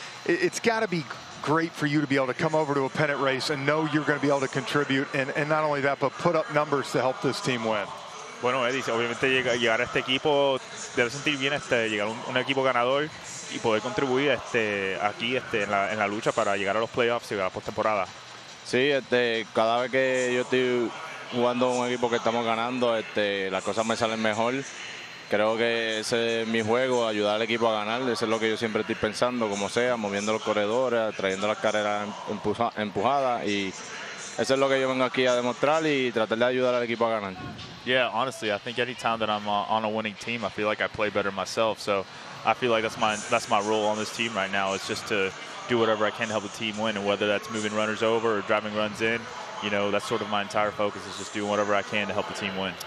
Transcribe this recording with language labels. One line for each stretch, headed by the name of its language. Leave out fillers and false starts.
English: It's got to be great for you to be able to come over to a pennant race and know you're going to be able to contribute, and not only that, but put up numbers to help this team win.
Spanish: Bueno, Eddie, obviamente llegar a este equipo debe sentir bien, llegar a un equipo ganador y poder contribuir aquí en la lucha para llegar a los playoffs y a la postemporada. Sí, cada vez que yo estoy jugando un equipo que estamos ganando, las cosas me salen mejor. Creo que ese es mi juego, ayudar al equipo a ganar. Eso es lo que yo siempre estoy pensando, como sea, moviendo los corredores, trayendo las carreras empujadas. Y eso es lo que yo vengo aquí a demostrar y tratar de ayudar al equipo a ganar.
English: Yeah, honestly, I think any time that I'm on a winning team, I feel like I play better myself. So I feel like that's my role on this team right now. It's just to do whatever I can to help the team win. And whether that's moving runners over or driving runs in, you know, that's sort of my entire focus, is just doing whatever I can to help the team win.